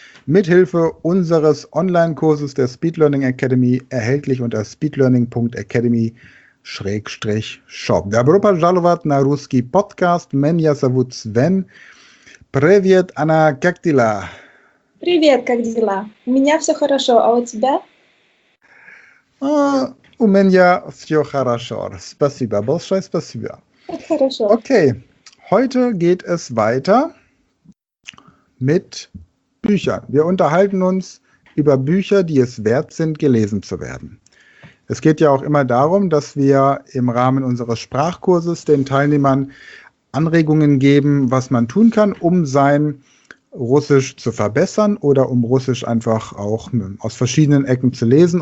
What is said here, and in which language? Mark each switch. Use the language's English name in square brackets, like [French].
[German] Mithilfe unseres Online-Kurses der Speed Learning Academy, erhältlich unter speedlearning.academy/shop. [Russian] Dobro pozhalovat na ruski podcast. Menya zovut Sven. Privyet, Anna, как dela? Привет, как дела? У меня все хорошо, а у тебя? У меня все хорошо. Спасибо, большое спасибо. Хорошо. [German] Okay, heute geht es weiter mit Büchern. Wir unterhalten uns über Bücher, die es wert sind, gelesen zu werden. Es geht ja auch immer darum, dass wir im Rahmen unseres Sprachkurses den Teilnehmern Anregungen geben, was man tun kann, um sein Russisch zu verbessern oder um Russisch einfach auch aus verschiedenen Ecken zu lesen.